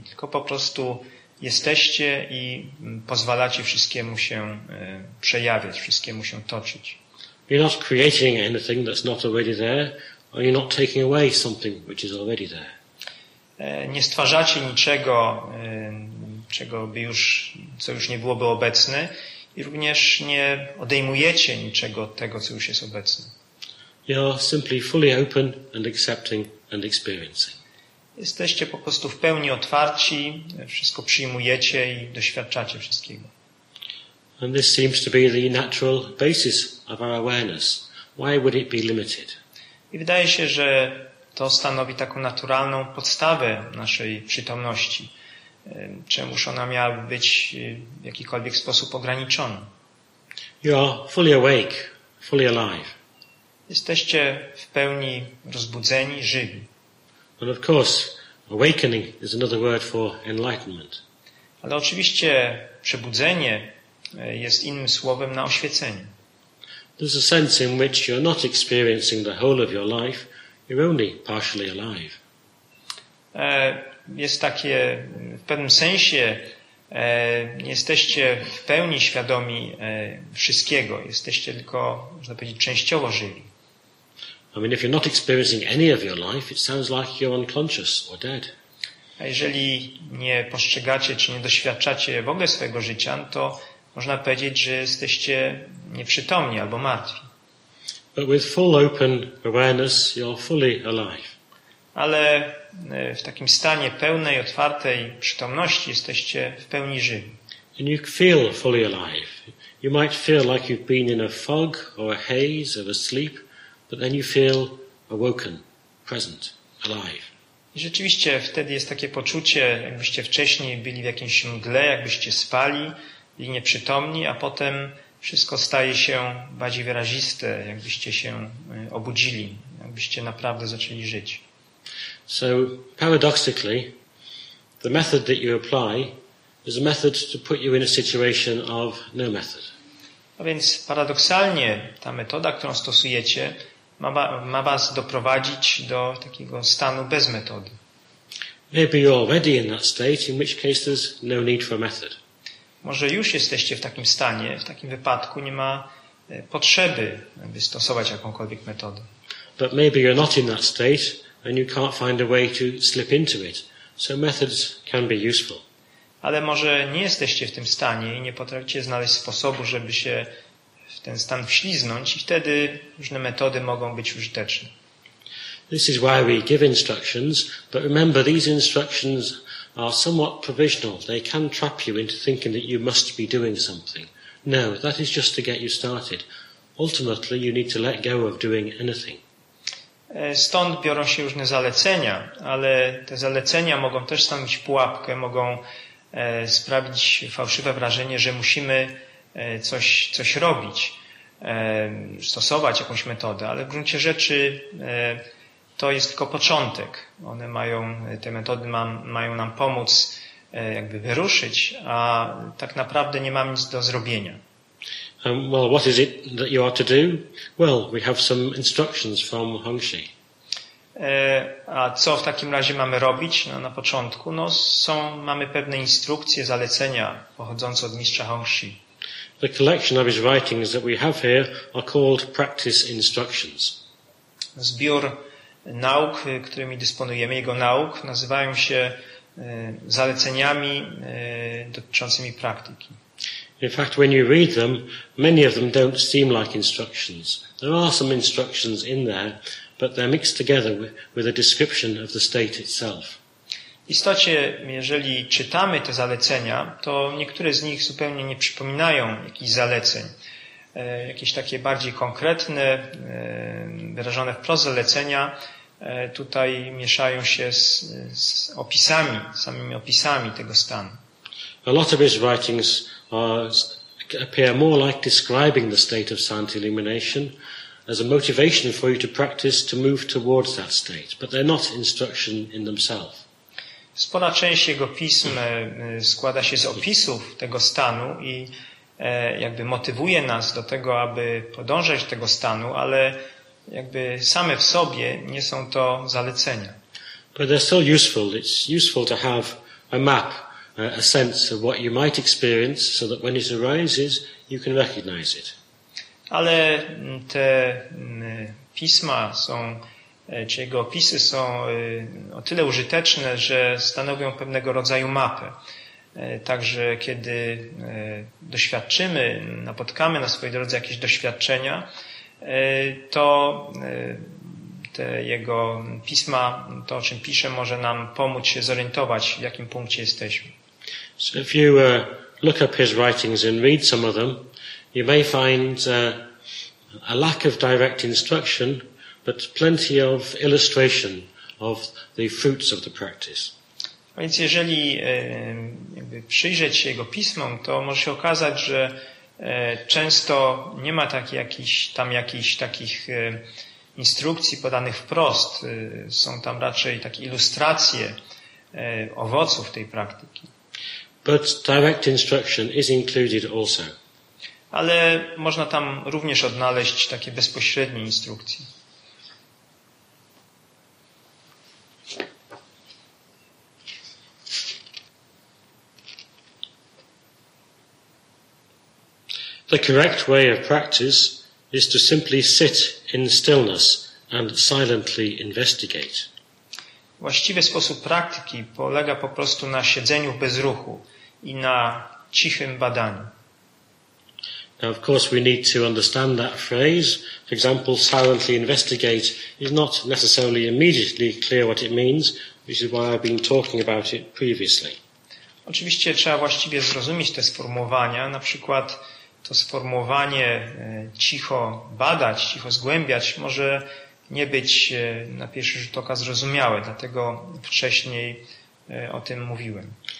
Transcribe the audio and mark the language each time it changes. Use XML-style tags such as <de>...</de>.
<pl>Tylko po prostu jesteście i pozwalacie wszystkiemu się przejawiać, wszystkiemu się toczyć.</pl> <en>You're not creating anything that's not already there, or you're not taking away something which is already there.</en> <pl>Nie stwarzacie niczego, czego by już, co już nie byłoby obecne, i również nie odejmujecie niczego tego, co już jest obecne.</pl> <en>You're simply fully open and accepting and experiencing.</en> <pl>Jesteście po prostu w pełni otwarci, wszystko przyjmujecie i doświadczacie wszystkiego.</pl> <en>And this seems to be the natural basis of our awareness. Why would it be limited?</en> <pl>I wydaje się, że to stanowi taką naturalną podstawę naszej przytomności. Czemuż ona miałaby być w jakikolwiek sposób ograniczona?</pl> <en>You are fully awake, fully alive.</en> <pl>Jesteście w pełni rozbudzeni, żywi.</pl> <en>But of course, awakening is another word for enlightenment.</en> <pl>Ale oczywiście przebudzenie jest innym słowem na oświecenie.</pl> <en>There's a sense in which you're not experiencing the whole of your life, you're only partially alive.</en> <pl>Jest takie, w pewnym sensie nie jesteście w pełni świadomi wszystkiego, jesteście tylko, można powiedzieć, częściowo żywi.</pl> <en>I mean, if you're not experiencing any of your life, it sounds like you're unconscious or dead.</en> <pl>A jeżeli nie postrzegacie, czy nie doświadczacie w ogóle swojego życia, to można powiedzieć, że jesteście nieprzytomni albo martwi.</pl> <en>But with full open awareness, you're fully alive.</en> <pl>Ale w takim stanie pełnej, otwartej przytomności jesteście w pełni żywi.</pl> <en>And you feel fully alive. You might feel like you've been in a fog or a haze or a sleep, but then you feel awoken, present, alive.</en> <pl>I rzeczywiście wtedy jest takie poczucie, jakbyście wcześniej byli w jakimś mgle, jakbyście spali i nieprzytomni, a potem wszystko staje się bardziej wyraziste, jakbyście się obudzili, jakbyście naprawdę zaczęli żyć.</pl> <en>So paradoxically, the method that you apply is a method to put you in a situation of no method.</en> <pl>A więc paradoksalnie ta metoda, którą stosujecie, ma was doprowadzić do takiego stanu bez metody.</pl> <en>Maybe you're already in that state, in which case there's no need for a method.</en> <pl>Może już jesteście w takim stanie, w takim wypadku nie ma potrzeby, by stosować jakąkolwiek metodę.</pl> <en>But maybe you're not in that state and you can't find a way to slip into it. So methods can be useful.</en> <pl>Ale może nie jesteście w tym stanie i nie potraficie znaleźć sposobu, żeby się w ten stan wśliznąć, i wtedy różne metody mogą być użyteczne.</pl> <en>This is why we give instructions, but remember these instructions are somewhat provisional. They can trap you into thinking that you must be doing something. No, that is just to get you started. Ultimately, you need to let go of doing anything.</en> <pl>Stąd biorą się różne zalecenia, ale te zalecenia mogą też stanowić pułapkę, mogą sprawić fałszywe wrażenie, że musimy coś robić, stosować jakąś metodę, ale w gruncie rzeczy to jest tylko początek. One mają, te metody mają nam pomóc jakby wyruszyć, a tak naprawdę nie mam nic do zrobienia.</pl> <en>Well, what is it that you are to do? Well, we have some instructions from Hongxi.</en> <pl>A co w takim razie mamy robić na początku? No, mamy pewne instrukcje, zalecenia pochodzące od mistrza Hongxi.</pl> <en>The collection of his writings that we have here are called practice instructions.</en> <pl>Zbiór nauk, którymi dysponujemy, jego nauk, nazywają się zaleceniami dotyczącymi praktyki.</pl> <en>In fact, when you read them, many of them don't seem like instructions. There are some instructions in there, but they're mixed together with a description of the state itself.</en> <pl>W istocie, jeżeli czytamy te zalecenia, to niektóre z nich zupełnie nie przypominają jakichś zaleceń. Jakieś takie bardziej konkretne, wyrażone wprost zalecenia tutaj mieszają się z opisami, samymi opisami tego stanu.</pl> <en>A lot of his writings appear more like describing the state of silent illumination as a motivation for you to practice to move towards that state, but they're not instruction in themselves.</en> <pl>Spora część jego pism składa się z opisów tego stanu i jakby motywuje nas do tego, aby podążać tego stanu, ale jakby same w sobie nie są to zalecenia.</pl> <en>But they're still useful. It's useful to have a map, a sense of what you might experience so that when it arises, you can recognize it.</en> <pl>Ale te pisma są, czy jego opisy są o tyle użyteczne, że stanowią pewnego rodzaju mapę. Także kiedy doświadczymy, napotkamy na swojej drodze jakieś doświadczenia, to te jego pisma, to o czym pisze, może nam pomóc się zorientować, w jakim punkcie jesteśmy.</pl> <en>So if you look up his writings and read some of them, you may find a lack of direct instruction, but plenty of illustration of the fruits of the practice.</en> <pl>Więc jeżeli jakby przyjrzeć się jego pismom, to może się okazać, że często nie ma jakichś takich instrukcji podanych wprost. Są tam raczej takie ilustracje owoców tej praktyki.</pl> <en>But direct instruction is included also.</en> <pl>Ale można tam również odnaleźć takie bezpośrednie instrukcje.</pl> <en>The correct way of practice is to simply sit in stillness and silently investigate.</en> <pl>Właściwy sposób praktyki polega po prostu na siedzeniu bez ruchu i na cichym badaniu.</pl> <en>Now, of course, we need to understand that phrase. For example, silently investigate is not necessarily immediately clear what it means, which is why I've been talking about it previously.</en> <pl>Oczywiście trzeba właściwie zrozumieć te sformułowania, na przykład to sformułowanie cicho badać, cicho zgłębiać może nie być na pierwszy rzut oka zrozumiałe, dlatego wcześniej o tym mówiłem.</pl>